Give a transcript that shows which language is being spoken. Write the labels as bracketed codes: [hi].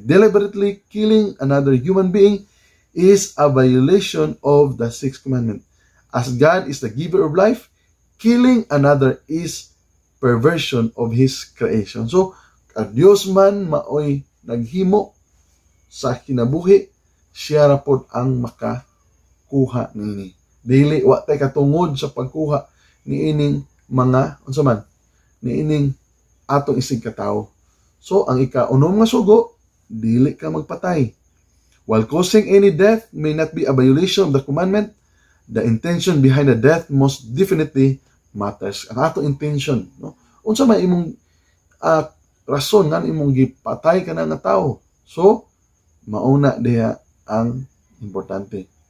[en] Deliberately killing another human being is a violation of the sixth commandment. As God is the giver of life, killing another is perversion of His creation. [ceb] So, a Dios man maoy naghimo sa kinabuhi, siya rapod ang makakuha nini. Dili, watay katungod sa pagkuha ni ining mga, unsa man, ni ining atong isig katao. So, ang ika-unom nga sugo, dili ka magpatay. [en] While causing any death may not be a violation of the commandment, the intention behind the death most definitely matters. [ceb] Ang ato intention, no? Unsa may imong rason nga imong gipatay ka ng tao. So, mauna diha ang importante.